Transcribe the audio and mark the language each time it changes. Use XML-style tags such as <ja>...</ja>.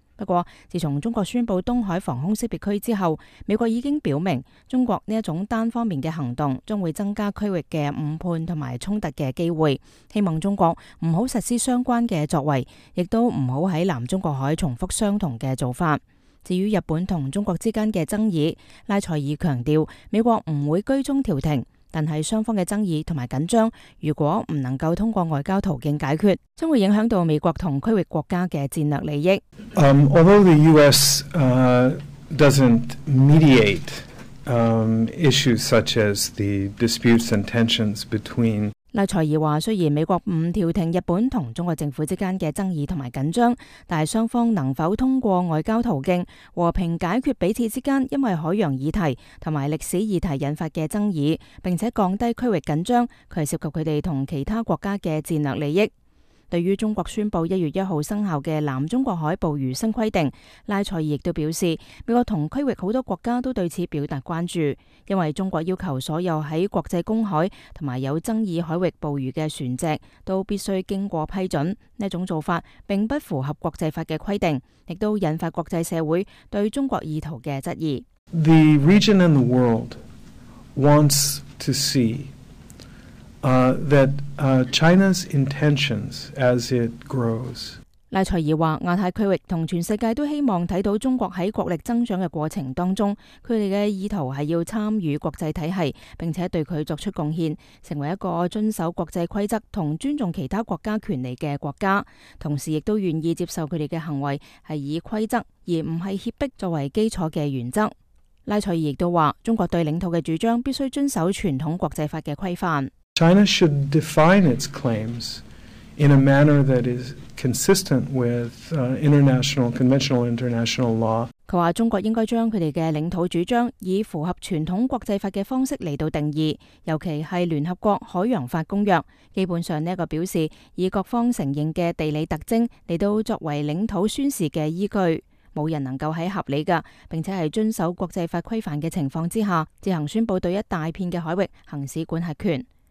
<zh>不过，自从中国宣布东海防空识别区之后，美国已经表明中国这种单方面的行动将会增加区域的误判和冲突的机会，希望中国不要实施相关的作为，也不要在南中国海重复相同的做法。至于日本和中国之间的争议，拉塞尔强调美国不会居中调停，但是双方的争议和紧张如果不能够通过外交途径解决，将会影响到美国和区域国家的战略利益。</zh> <en>Although the U.S. Doesn't mediate issues such as the disputes and tensions between</en> <zh>拉塞尔说，虽然美国不调停日本和中国政府之间的争议和紧张，但是双方能否通过外交途径和平解决彼此之间因为海洋议题和历史议题引发的争议，并且降低区域紧张，它是涉及他们和其他国家的战略利益。对于中国宣布1月1号生效的南中国海捕鱼新规定，拉塞尔亦都表示，美国同区域很多国家都对此表达关注，因为中国要求所有在国际公海和有争议海域捕鱼的船只都必须经过批准，这种做法并不符合国际法的规定，亦都引发国际社会对中国意图的质疑。</zh> <en>The region and the world wants to see China's intentions as it grows.</en> <zh>赖塞尔说，亚太区域和全世界都希望看到中国在国力增长的过程当中，他们的意图是要参与国际体系，并且对他作出贡献，成为一个遵守国际规则和尊重其他国家权利的国家，同时亦都愿意接受他们的行为是以规则而不是胁迫作为基础的原则。拉塞尔亦都话，中国对领土的主张必须遵守传统国际法的规范。</zh> <en>China should define its claims in a manner that is consistent with conventional international law.</en> <zh>他话中国应该将他们的领土主张以符合传统国际法的方式来到定义，尤其是联合国海洋法公约。基本上这个表示以各方承认的地理特征来到作为领土宣示的依据。无人能够在合理的并且是遵守国际法规范的情况之下自行宣布对一大片的海域行使管辖权。</zh>